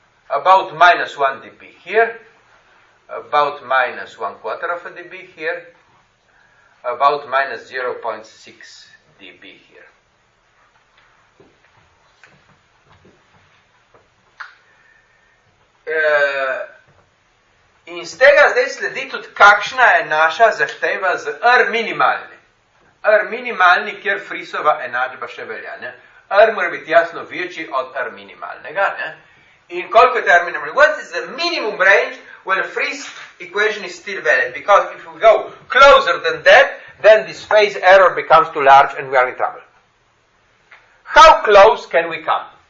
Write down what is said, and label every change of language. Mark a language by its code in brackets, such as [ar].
[en] About minus 1 dB here, about minus 1 quarter of a dB here, about minus 0.6 dB here. [sl] In z tega zdaj sledi tudi, kakšna je naša zahteva z R minimalni. R minimalni, kjer Friisova enačba še velja. Ne? R mora biti jasno večji od R minimalnega. Ne? In koliko je R minimalni? [en] What is the minimum range when a Friis equation is still valid? Because if we go closer than that, then this phase error becomes too large and we are in trouble. How close can we come?